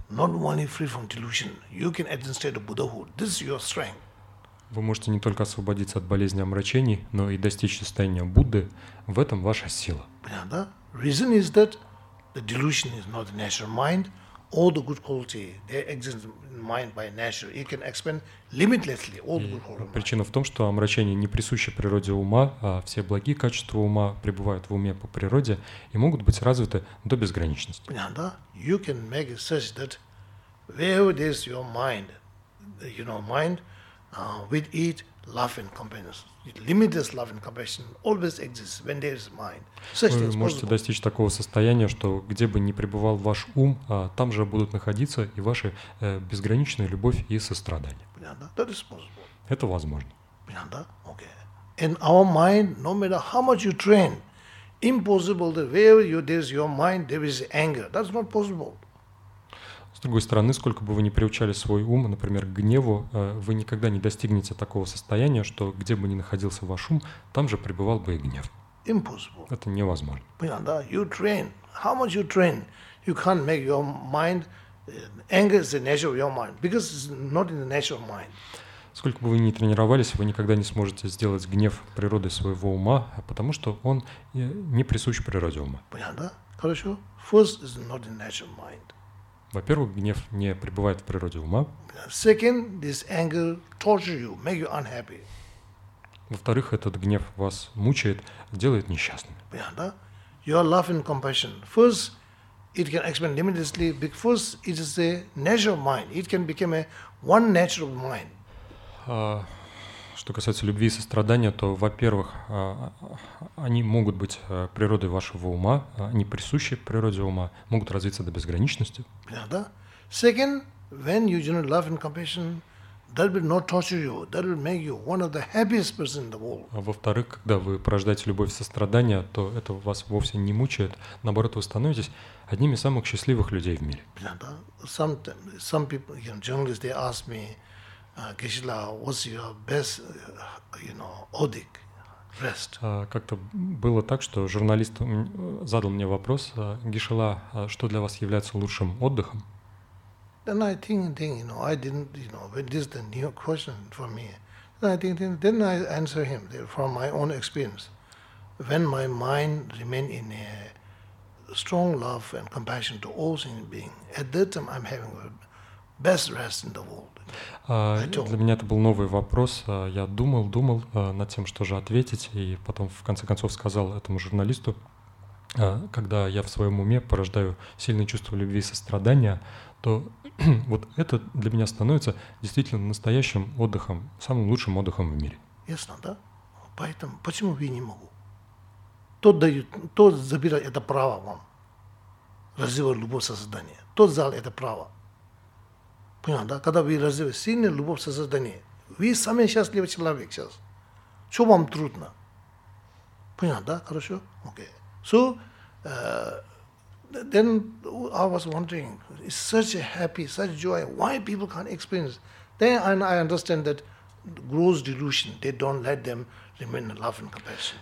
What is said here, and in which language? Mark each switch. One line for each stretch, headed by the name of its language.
English: Not only free from delusion, you can attain state of Buddhahood. This is your strength.
Russian: Вы можете не только освободиться от болезни омрачений, но и достичь состояния Будды. В этом ваша сила. Понятно, да?
English: Reason is that the delusion is not the natural mind. All the good quality, they exist in mind by nature. You can expand limitlessly all the good quality.
Russian: Причина в том, что омрачение не присуще природе ума, а все благие качества ума пребывают в уме по природе и могут быть развиты до безграничности. Понятно?
English: You can make it such that wherever there is your mind, you know, mind, with it, love and compassion, limitless love and compassion always exists when there is mind.
Russian: Вы можете достичь такого состояния, что где бы ни пребывал ваш ум, там же будут находиться и ваши безграничная любовь и сострадание.
English: That is possible.
Russian: Это возможно. Понятно?
English: Okay. In our mind, no matter how much you train, impossible that where you, there is your mind, there is anger. That's not possible.
Russian: С другой стороны, сколько бы вы ни приучали свой ум, например, к гневу, вы никогда не достигнете такого состояния, что где бы ни находился ваш ум, там же пребывал бы и гнев.
English: Impossible.
Russian: Это невозможно. Понятно, да?
English: You train. How much you train? You can't make your mind... Anger is the nature of your mind, because it's not in the nature of mind.
Russian: Сколько бы вы ни тренировались, вы никогда не сможете сделать гнев природой своего ума, потому что он не присущ природе ума. Понятно, да? Хорошо.
English: First is not in the nature of mind.
Russian: Во-первых, гнев не пребывает в природе ума.
English: Second, this anger tortures you, make you unhappy.
Russian: Во-вторых, этот гнев вас мучает, делает несчастным.
English: Yeah,
Russian: да?
English: Your love and compassion. First, it can expand limitlessly, because it is a nature of mind. It can become a one nature of mind.
Russian: Что касается любви и сострадания, то, во-первых, они могут быть природой вашего ума, они присущи природе ума, могут развиться до безграничности. Да.
English: Second, when you generate love and compassion, that will not torture you, that will make you one of the happiest person in the world.
Russian: Во-вторых, когда вы порождаете любовь и сострадание, то это вас вовсе не мучает, наоборот, вы становитесь одними из самых счастливых людей в мире. Да.
English: Some people, you know, journalists, they ask me. Кришна, what's your best, you know, odic rest?
Russian: Как-то было так, что журналист задал мне вопрос: Кришна, что для вас является лучшим отдыхом?
English: Then I think, you know, I didn't, you know, when this is the new question for me, then I answer him from my own experience. When my mind remains in a strong love and compassion to all sentient beings, at that time I'm having a best rest in the world.
Russian: Для меня это был новый вопрос. Я думал над тем, что же ответить, и потом в конце концов сказал этому журналисту, когда я в своем уме порождаю сильные чувства любви и сострадания, то вот это для меня становится действительно настоящим отдыхом, самым лучшим отдыхом в мире. Ясно, да? Поэтому почему я не могу? Тот дает, тот забирает это право вам, развивать любовь и сострадание. Тот взял это право. Понятно, да? Когда вы развиваете сильную любовь со созданием, вы самый счастливый человек сейчас. Что вам трудно? Понятно, да? Хорошо? Окей.
English: So, then I was wondering, it's such a happy, such joy, why people can't experience? Then I understand that gross delusion, they don't let them remain in love and compassion.